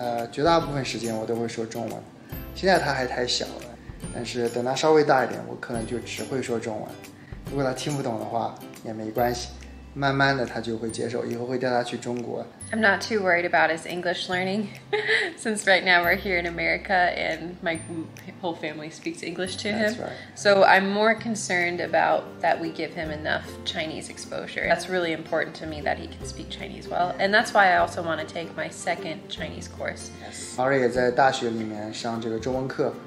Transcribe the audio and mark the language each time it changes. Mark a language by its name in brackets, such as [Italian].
[Chinese] 绝大部分时间我都会说中文，现在他还太小了，但是等他稍微大一点，我可能就只会说中文。如果他听不懂的话也没关系，慢慢的他就会接受，以后会带他去中国。 [English] I'm not too worried about his English learning since right now we're here in America and my whole family speaks English to him. That's right. So I'm more concerned about that we give him enough Chinese exposure. That's really important to me that he can speak Chinese well. And that's why I also want to take my second Chinese course. Yes. [Chinese] Ari 也在大学里面上这个中文课。